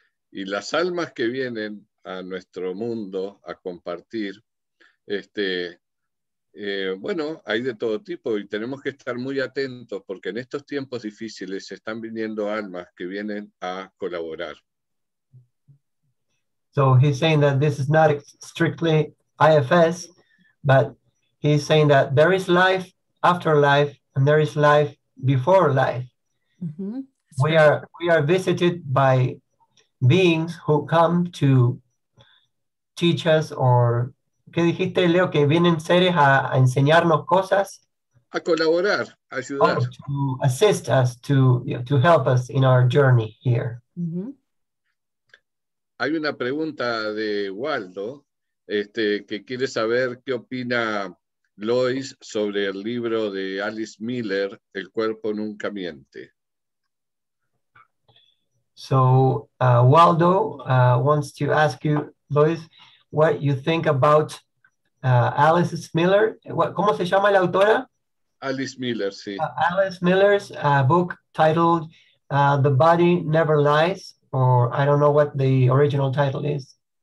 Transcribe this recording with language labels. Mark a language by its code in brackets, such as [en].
[es] Y las almas que vienen a nuestro mundo a compartir, hay de todo tipo y tenemos que estar muy atentos porque en estos tiempos difíciles se están viniendo almas que vienen a colaborar. [en] So he's saying that this is not strictly IFS, but he's saying that there is life after life and there is life before life. Mm-hmm. We are visited by beings who come to teach us, or [es] ¿qué dijiste, Leo? Que vienen seres a enseñarnos cosas, a colaborar, a ayudar, [en] to assist us, to help us in our journey here. Mm-hmm. [es] Hay una pregunta de Waldo que quiere saber qué opina Lois sobre el libro de Alice Miller, El cuerpo nunca miente. [en] So Waldo wants to ask you, Lois, what you think about Alice Miller. [es] ¿Cómo se llama la autora? Alice Miller, sí. [en] Alice Miller's book titled The Body Never Lies, or I don't know what the original title is.